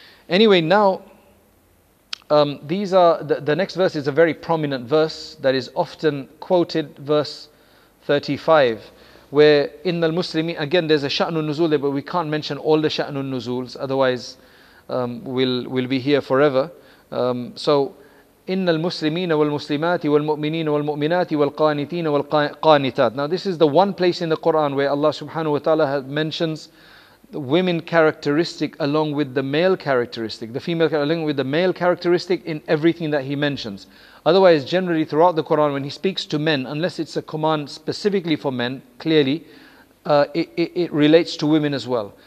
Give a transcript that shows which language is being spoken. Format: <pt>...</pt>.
<en>Anyway, now these are the next verse is a very prominent verse that is often quoted, verse 35, where in the Muslimin, again there's a sha'nun nuzul there, but we can't mention all the sha'nun nuzuls, otherwise will be here forever.</en> <ar>So إن المسلمين والمسلمات والمؤمنين والمؤمنات والقانتين والقانتات.</ar> <en>Now this is the one place in the Quran where Allah subhanahu wa ta'ala mentions the women characteristic along with the male characteristic, the female along with the male characteristic in everything that he mentions. Otherwise, generally throughout the Quran, when he speaks to men, unless it's a command specifically for men, clearly, it relates to women as well.</en>